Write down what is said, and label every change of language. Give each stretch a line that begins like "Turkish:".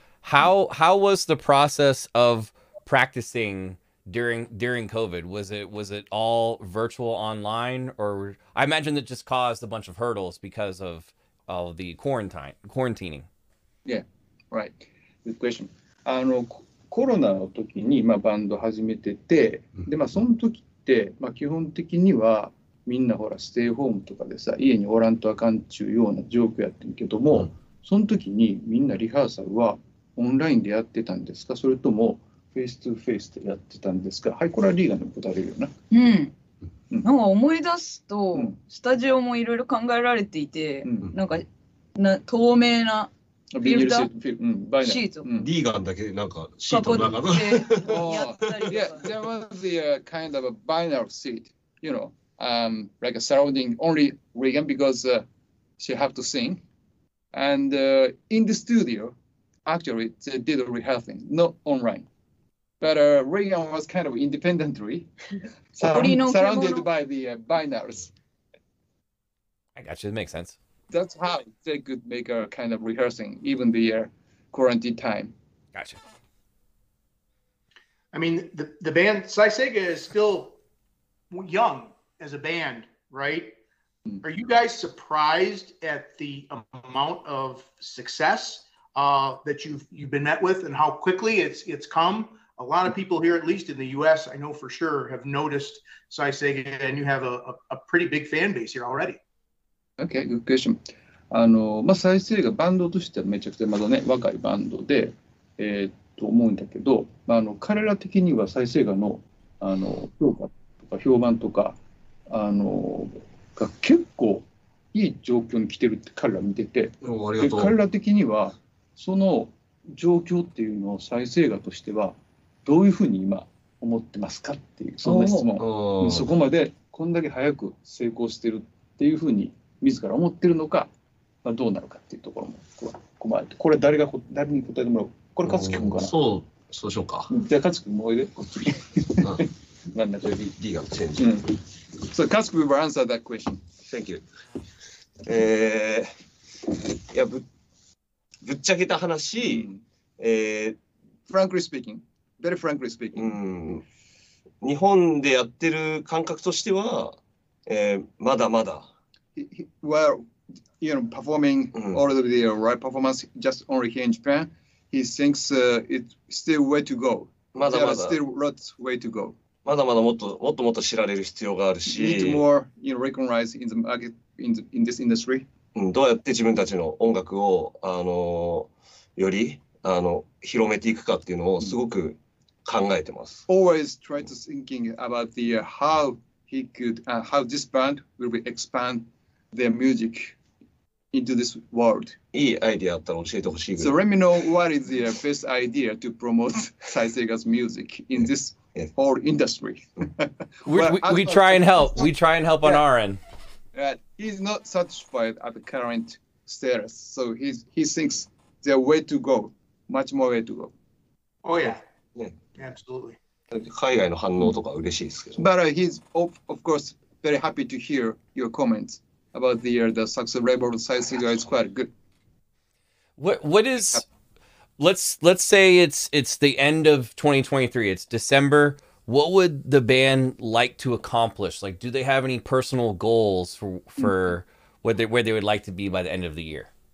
English: How was the process of practicing during COVID? Was it all virtual online, or I imagine that just caused a bunch of hurdles because of all the quarantining? Yeah, right. Good question.
Japanese: コロナの時に、まあ、バンド始めてて、で、まあ、その時って、まあ、基本的にはみんなほらステイホームとかでさ、家におらんとあかんちゅうような状況やってんけども、その時にみんなリハーサルはオンラインでやってたんですか、それともフェイストゥーフェイスでやってたんですか。はい、これはリーガンに答えるよな。うん。うん、なんか思い出すと、うん、スタジオもいろいろ考えられていて、うん、なんかな透明なビニールシート、バイナル、シート、うん、リーガンだけなんかシートの中の、やったりとか、
English: yeah, there was a kind of a vinyl seat, you know, like a surrounding only Regan because she have to sing, and in the studio, actually they did a rehearsing, not online, but Regan was kind of independently surrounded by the vinyls. I got you. It makes sense. That's how they could make a kind of rehearsing, even the quarantine time. Gotcha. I mean, the band, Saiseiga is still young as a band, right? Mm. Are you guys surprised at the amount of success that you've been met with and how quickly it's come? A lot of people here, at least in the U.S., I know for sure, have noticed Saiseiga, and you have a pretty big fan base here already. Okay, good question.
Japanese: まあ、再生がバンドとしてはめちゃくちゃまだね、若いバンドで、思うんだけど、まあ、彼ら的には再生がの、評価とか評判とか、が結構いい状況に来てるって彼ら見てて、ありがとう。で、彼ら的にはその状況っていうのを再生がとしてはどういうふうに今思ってますかっていう、そんな質問。そこまでこんだけ早く成功してるっていうふうに自ら思ってるのか、まあ、どうなるかっていうところも困る。これ誰に答えてもらおう。これ勝君かな。そうしようか。じゃあ勝君もおいで。こっちに。なんだか。リーガルチェンジ。
English: So 勝君 will answer that question. Thank you.
Japanese: いや、ぶっちゃけた話、
English: Frankly speaking, very frankly speaking.
Japanese: 日本でやってる感覚としては、まだまだ。
English: While you know performing all of the live performance just only here in Japan, he thinks it's still way to go.
Japanese: まだまだ
English: still lots way to go.
Japanese: まだまだもっと知られる必要があるし。
English: Need more you know recognize in the market in this industry.
Japanese: どうやって自分たちの音楽をより広めていくかっていうのをすごく考えてます。
English: Always try to thinking about the how he could how this band will be expand. Their music into this world.
Japanese: いいアイディアあったら教えてほしい。
English: So let me know what is the best idea to promote Saiseiga's music in this whole industry. we try and help. We try and help on our end. He's not satisfied at the current status. So he thinks there's way to go. Much more way to go. Oh yeah. Absolutely.
Japanese: 海外の反応とか嬉しいですけど。
English: But he's of course very happy to hear your comments. About the success level of Saiseiga is quite good. What is, let's say it's the end of 2023, it's December. What would the band like to accomplish? Like, do they have any personal goals for where they would like to be by the end of the year?